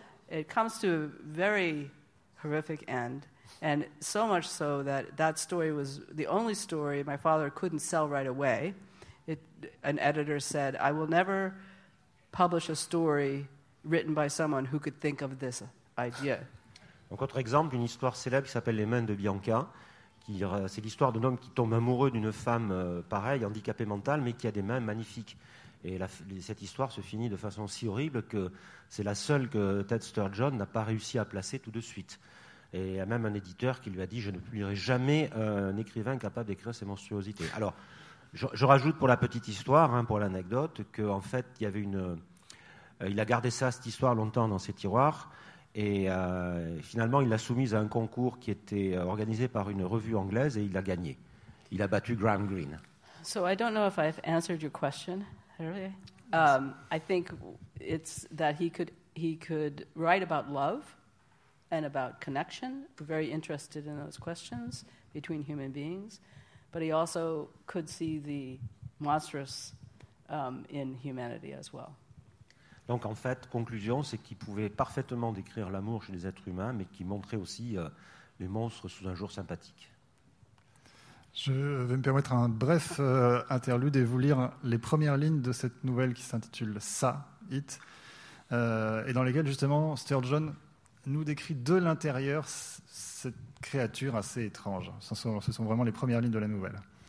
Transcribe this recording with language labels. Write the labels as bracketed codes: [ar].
[en] It comes to a very horrific end, and so much so that that story was the only story my father couldn't sell right away. An editor said, I will never publish a story written by someone who could think of this idea. [fr] Donc, autre exemple, une histoire célèbre qui s'appelle Les mains de Bianca. C'est l'histoire d'un homme qui tombe amoureux d'une femme pareille, handicapée mentale, mais qui a des mains magnifiques. Et cette histoire se finit de façon si horrible que c'est la seule que Ted Sturgeon n'a pas réussi à placer tout de suite. Et il y a même un éditeur qui lui a dit « Je ne publierai jamais un écrivain capable d'écrire ces monstruosités ». Alors, je rajoute pour la petite histoire, hein, pour l'anecdote, qu'en fait, il y avait il a gardé ça, cette histoire, longtemps dans ses tiroirs. Et finalement, il l'a soumise à un concours qui était organisé par une revue anglaise et il l'a gagné. Il a battu Graham Greene. [en] So I don't know if I've answered your question. I think it's that he could write about love and about connection. Very interested in those questions between human beings, but he also could see the monstrous in humanity as well. [fr] Donc en fait, conclusion, c'est qu'il pouvait parfaitement décrire l'amour chez les êtres humains, mais qu'il montrait aussi les monstres sous un jour sympathique. Je vais me permettre un bref interlude et vous lire les premières lignes de cette nouvelle qui s'intitule « Ça, It », et dans lesquelles justement Sturgeon nous décrit de l'intérieur cette créature assez étrange. Ce sont vraiment les premières lignes de la nouvelle.